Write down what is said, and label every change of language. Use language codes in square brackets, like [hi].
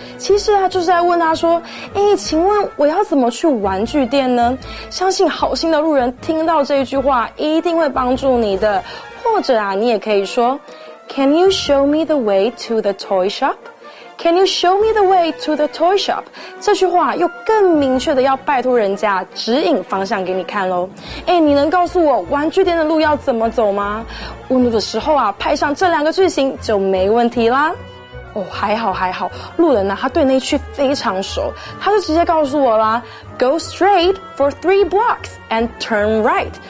[zh] 其实啊，就是在问他说，诶，请问我要怎么去玩具店呢？相信好心的路人听到这一句话一定会帮助你的。或者啊，你也可以说 [en] Can you show me the way to the toy shop? Can you show me the way to the toy shop? [zh] 这句话又更明确的要拜托人家指引方向给你看咯。诶，你能告诉我玩具店的路要怎么走吗？问路的时候啊，派上这两个句型就没问题啦。哦，还好还好，路人呢，他对那区非常熟，他就直接告诉我啦 ， [en] Go straight for 3 blocks and turn right.